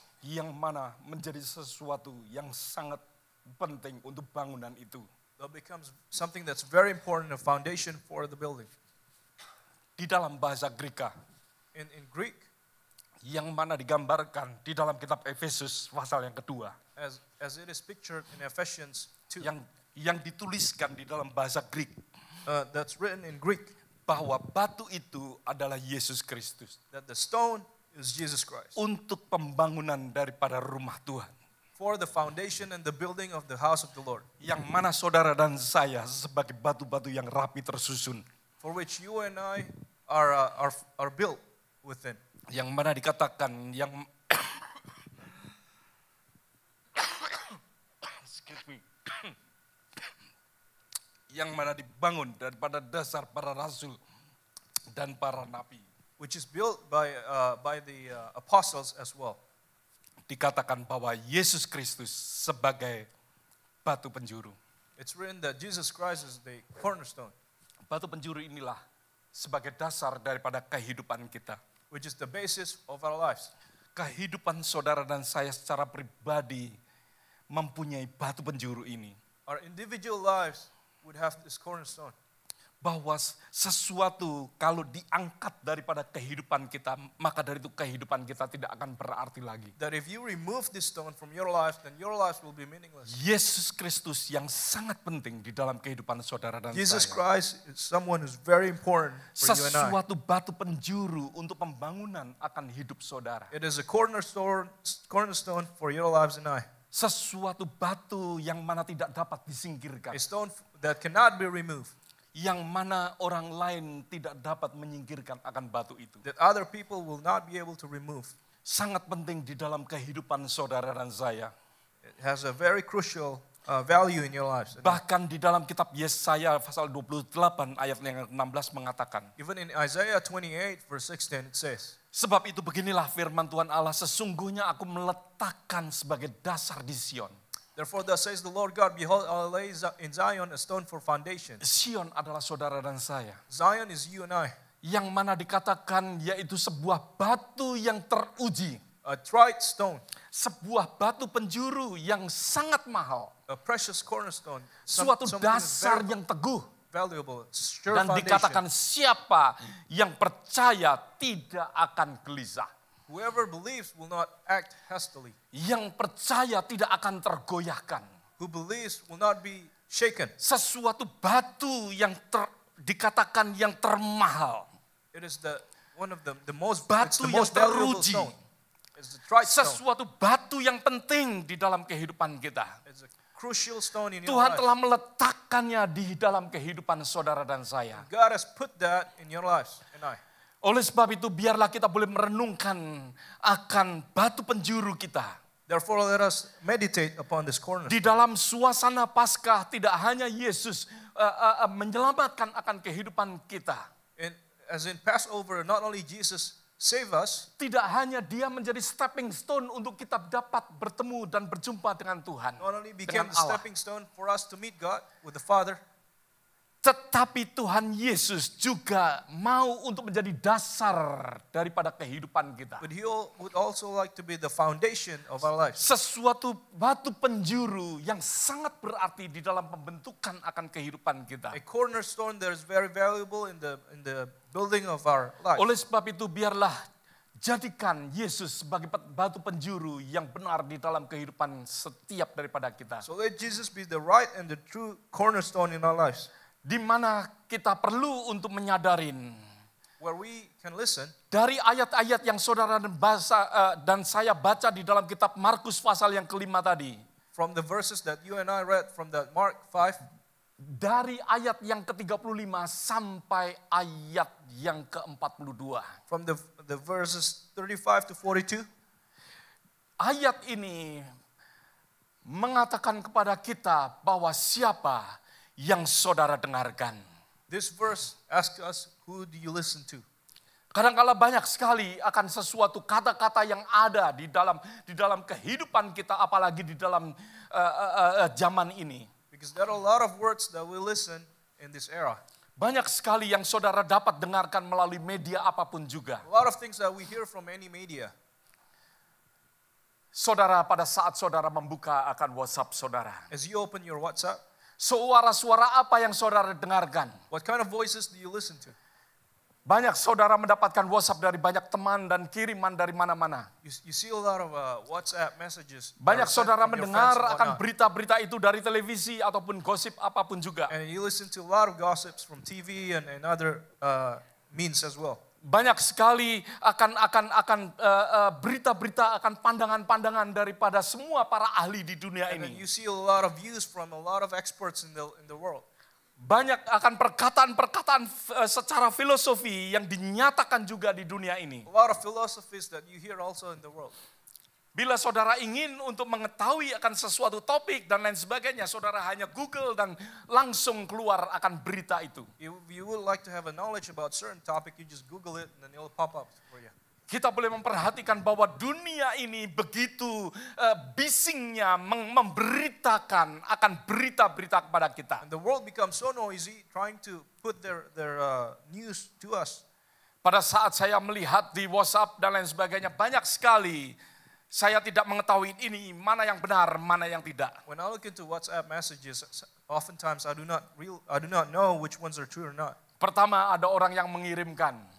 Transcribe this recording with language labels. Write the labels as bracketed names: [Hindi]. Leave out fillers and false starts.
[Indonesian] Yang mana menjadi sesuatu yang sangat penting untuk bangunan itu. [English] That becomes something that's very important, a foundation for the building. [Indonesian] Di dalam bahasa Greka. [English] In Greek. [Indonesian] Yang mana digambarkan di dalam kitab Efesus pasal yang kedua. [English] As it is pictured in Ephesians 2. [Indonesian] Yang dituliskan di dalam bahasa Greek. [English] That's written in Greek. [Indonesian] Bahwa batu itu adalah Yesus Kristus. [English] That the stone is Jesus Christ. [Indonesian] Untuk pembangunan daripada rumah Tuhan. [English] For the foundation and the building of the house of the Lord. [Indonesian] Yang mana saudara dan saya sebagai batu-batu yang rapi tersusun. [English] For which you and I are built within. [Indonesian] Yang mana dikatakan yang [English] excuse me. [Indonesian] Yang mana dibangun daripada dasar para rasul dan para nabi. [English] Which is built by the apostles as well. [Indonesian] Dikatakan bahwa Yesus Kristus sebagai batu penjuru. [English] It's written that Jesus Christ is the cornerstone. [Indonesian] Batu penjuru inilah sebagai dasar daripada kehidupan kita. [English] Which is the basis of our lives. [Indonesian] Kehidupan saudara dan saya secara pribadi mempunyai batu penjuru ini. [English] Our individual lives would have this cornerstone. [Indonesian] Bahwa sesuatu kalau diangkat daripada kehidupan kita, maka dari itu kehidupan kita tidak akan berarti lagi. [English] That if you remove this stone from your life, then your life will be meaningless. [Indonesian] Yesus Kristus yang sangat penting di dalam kehidupan saudara dan [English] Jesus [Indonesian] saya. [English] Christ is someone who's very important for [Indonesian] sesuatu [English] you and I. [Indonesian] Sesuatu batu penjuru untuk pembangunan akan hidup saudara. [English] It is a cornerstone for your lives and I. [Indonesian] Sesuatu batu yang mana tidak dapat disingkirkan. [English] A stone that cannot be removed. [Indonesian] Yang mana orang lain tidak dapat menyingkirkan akan batu itu. [English] That other people will not be able to remove. [Indonesian] Sangat penting di dalam kehidupan saudara dan saya. [English] It has a very crucial value in your lives. [Indonesian] Bahkan di dalam kitab Yesaya pasal 28 ayat yang 16 mengatakan. [English] Even in Isaiah 28 verse 16 it says. [Indonesian] Sebab itu beginilah firman Tuhan Allah, sesungguhnya aku meletakkan sebagai dasar di Sion. [English] Therefore thus says the Lord God, behold, I lay in Zion a stone for foundation. [Indonesian] Zion adalah saudara dan saya. [English] Zion is you and I. [Indonesian] Yang mana dikatakan yaitu sebuah batu yang teruji. [English] A tried stone. [Indonesian] Sebuah batu penjuru yang sangat mahal. [English] A precious cornerstone. [Indonesian] Suatu dasar yang teguh. [English] Valuable, sure [Indonesian] foundation. Dan dikatakan siapa yang percaya tidak akan gelisah. [English] Whoever believes will not act hastily. [Indonesian] Yang percaya tidak akan tergoyahkan. [English] Who believes will not be shaken. [Indonesian] Sesuatu batu yang dikatakan yang termahal. [English] It is the one of the most valuable stone. [Indonesian] Sesuatu batu yang penting di dalam kehidupan kita. [English] It's a crucial stone in your life. [Indonesian] Tuhan telah meletakkannya di dalam kehidupan saudara dan saya. [English] God has put that in your lives and I. [Indonesian] Oleh sebab itu biarlah kita boleh merenungkan akan batu penjuru kita. [English] Therefore, let us meditate upon this cornerstone. [Indonesian] Di dalam suasana Paskah tidak hanya Yesus menyelamatkan akan kehidupan kita. [English] As in Passover, not only Jesus save us, [Indonesian] tidak hanya dia menjadi stepping stone untuk kita dapat bertemu dan berjumpa dengan Tuhan. [English] Not only became a stepping stone for us to meet God with the Father. [Indonesian] Tetapi Tuhan Yesus juga mau untuk menjadi dasar daripada kehidupan kita. [English] But he would also like to be the foundation of our lives. [Indonesian] Sesuatu batu penjuru yang sangat berarti di dalam pembentukan akan kehidupan kita. [English] A cornerstone that is very valuable in the building of our life. [Indonesian] Oleh sebab itu biarlah jadikan Yesus sebagai batu penjuru yang benar di dalam kehidupan setiap daripada kita. [English] So let Jesus be the right and the true cornerstone in our lives. [Indonesian] Di mana kita perlu untuk menyadarin [English] where we can listen, [Indonesian] dari ayat-ayat yang saudara dan saya baca di dalam kitab Markus pasal yang kelima tadi, [English] from the verses that you and I read from the Mark 5, [Indonesian] dari ayat yang ke-35 sampai ayat yang ke-42, [English] from the verses 35 to 42, [Indonesian] ayat ini mengatakan kepada kita bahwa siapa yang saudara dengarkan. [English] This verse asks us, who do you listen to? [Indonesian] Kadang-kadang banyak sekali akan sesuatu kata-kata yang ada di dalam kehidupan kita, apalagi di dalam zaman ini. [English] Because there are a lot of words that we listen in this era. [Indonesian] Banyak sekali yang saudara dapat dengarkan melalui media apapun juga. [English] A lot of things that we hear from any media. [Indonesian] Saudara, pada saat saudara membuka akan WhatsApp saudara, [English] as you open your WhatsApp, [Indonesian] suara-suara apa yang saudara dengarkan? [English] What kind of voices do you listen to? [Indonesian] Banyak saudara mendapatkan WhatsApp dari banyak teman dan kiriman dari mana-mana. [English] You see a lot of WhatsApp messages. [Indonesian] Banyak saudara mendengar akan berita-berita itu dari televisi ataupun gosip apapun juga. [English] And you listen to a lot of gossips from TV and other means as well. [Indonesian] Banyak sekali akan berita-berita, akan pandangan-pandangan daripada semua para ahli di dunia ini. [English] You see a lot of views from a lot of experts in the world. [Indonesian] Banyak akan perkataan-perkataan secara filosofi yang dinyatakan juga di dunia ini. [English] A lot of philosophies that you hear also in the world. [Indonesian] Bila saudara ingin untuk mengetahui akan sesuatu topik dan lain sebagainya, saudara hanya Google dan langsung keluar akan berita itu. [English] If you would like to have a knowledge about certain topic, you just Google it and then it'll pop up for you. [Indonesian] Kita boleh memperhatikan bahwa dunia ini begitu bisingnya memberitakan akan berita-berita kepada kita. [English] And the world becomes so noisy trying to put their news to us. [Indonesian] Pada saat saya melihat di WhatsApp dan lain sebagainya, banyak sekali saya tidak mengetahui ini mana yang benar, mana yang tidak. [English] When I look into WhatsApp messages, oftentimes I do not know which ones are true or not. [Indonesian] Pertama, ada orang yang mengirimkan.